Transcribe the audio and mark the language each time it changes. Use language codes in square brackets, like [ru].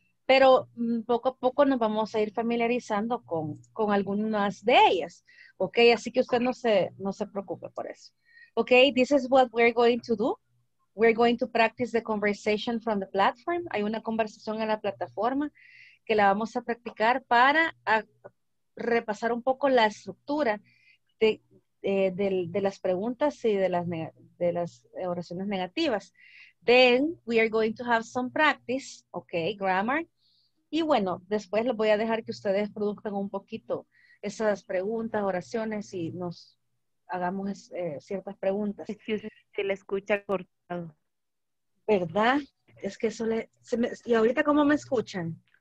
[es] Pero poco a poco nos vamos a ir familiarizando con algunas de ellas. Ok, así que usted no se preocupe por eso. [en] Ok, this is what we're going to do. We're going to practice the conversation from the platform. [es] Hay una conversación en la plataforma que la vamos a practicar para repasar un poco la estructura de las preguntas y de las oraciones negativas. [en] Then we are going to have some practice, okay, grammar. [es] Y bueno, después les voy a dejar que ustedes produzcan un poquito esas preguntas, oraciones y nos hagamos ciertas preguntas. Se le escucha cortado. ¿Verdad? Es que eso le... Se me, ¿y ahorita cómo me escuchan?